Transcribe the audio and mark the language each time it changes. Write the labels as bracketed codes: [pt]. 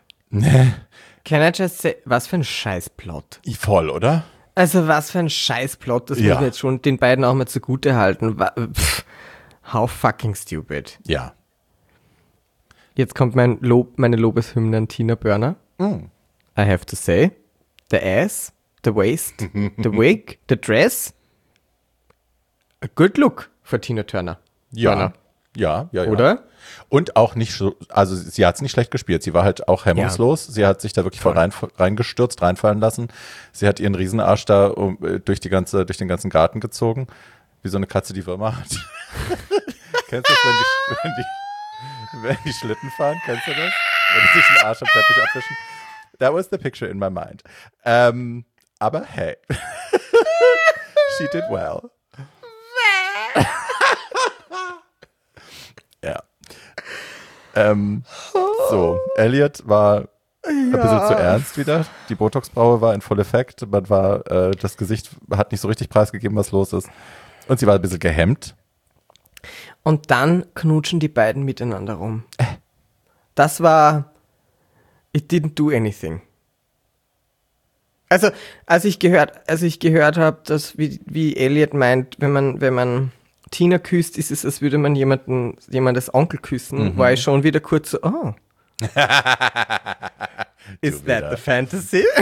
[de] Nee. [en] Can I just say, [de] was für ein Scheißplot? Voll, oder? Also was für ein Scheißplot, das muss man jetzt schon den beiden auch mal zugute halten. [en] How fucking stupid. [de] Ja. Jetzt kommt meine Lobeshymne an Tina Burner. [en] I have to say, the ass, the waist, the wig, the dress. A good look für Tina Turner. [de] Oder? Und auch nicht so, also sie hat es nicht schlecht gespielt. Sie war halt auch hemmungslos. Ja. Sie hat sich da wirklich voll reingestürzt, reinfallen lassen. Sie hat ihren Riesenarsch da durch den ganzen Garten gezogen. Wie so eine Katze, die Würmer hat. Kennst du das, wenn die Schlitten fahren? Kennst du das? wenn ich sich den Arsch am Teppich abwischen. [en] That was the picture in my mind. Aber hey, she did well. [de] Ja. So, Elliot war ein bisschen zu ernst wieder. Die Botox-Braue war in vollem Effekt. Man war, das Gesicht hat nicht so richtig preisgegeben, was los ist. Und sie war ein bisschen gehemmt. Und dann knutschen die beiden miteinander rum. Das war, [en] it didn't do anything. [de] Also, als ich gehört habe, dass wie Elliot meint, wenn man Tina küsst, ist es, als würde man jemandes Onkel küssen, war ich schon wieder kurz so, oh. [en] Is that the fantasy?